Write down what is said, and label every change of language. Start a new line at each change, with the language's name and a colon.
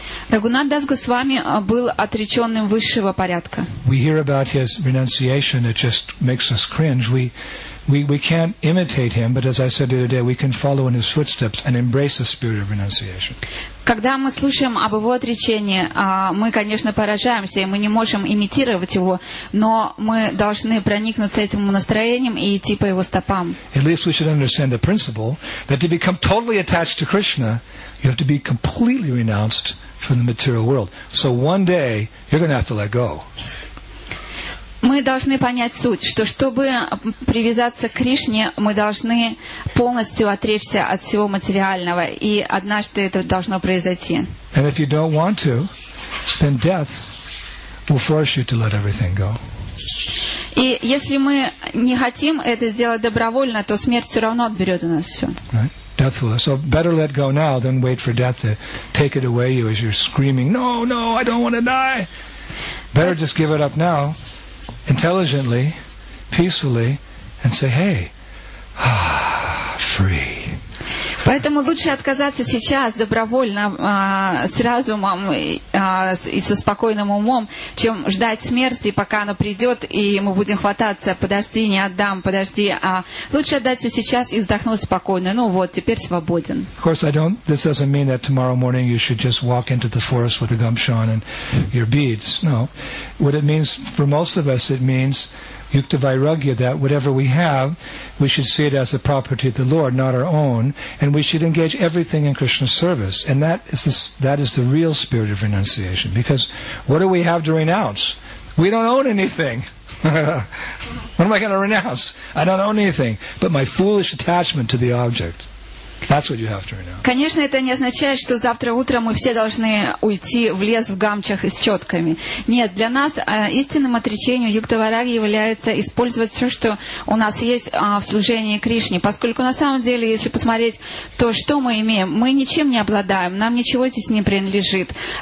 Russian: Raghunath Das Goswami был отреченным высшего порядка.
English: We hear about his renunciation, it just makes us cringe. We can't imitate him, but as I said the other day, we can follow in his footsteps and embrace the spirit of renunciation.
Russian: Когда мы слушаем об его отречении, мы, конечно, поражаемся, и мы не можем имитировать его, но мы должны проникнуться этим настроением и идти по его стопам.
English: At least we should understand the principle that to become totally attached to Krishna, you have to be completely renounced from the material world. So one day, you're going to have to let go.
Russian: Мы должны понять суть, что чтобы привязаться к Кришне, мы должны полностью отречься от всего материального, и однажды это должно произойти.
English: And if you don't want to, then death will force you to let everything go.
Russian: И если мы не хотим это сделать добровольно, то смерть все равно отберет у нас все.
English: Right. Death will. So better let go now than wait for death to take it away you as you're screaming, "No, no, I don't want to die." Better just give it up now. Intelligently, peacefully, and say, "Hey, free."
Russian: Поэтому лучше отказаться сейчас добровольно, с разумом и со спокойным умом, чем ждать смерти, пока она придет, и мы будем хвататься. Подожди, не отдам, подожди. А лучше отдать все сейчас и вздохнуть спокойно. Ну вот, теперь свободен.
English: Of course, this doesn't mean that tomorrow morning you should just walk into the forest with a gumshan and your beads. No. What it means for most of us, it means Yukta Vairagya, that whatever we have, we should see it as the property of the Lord, not our own, and we should engage everything in Krishna's service. And that is the real spirit of renunciation. Because what do we have to renounce? We don't own anything. What am I going to renounce? I don't own anything. But my foolish attachment to the object. That's what you have to renounce.
Russian: Конечно, это не означает, что завтра утром мы все должны уйти в лес в гамчах и с четками. Нет, для нас истинным отречением Юктаварагья является использовать все, что у нас есть в служении Кришне. Поскольку на самом деле, если посмотреть то, что мы имеем, мы ничем не обладаем, нам ничего здесь не принадлежит.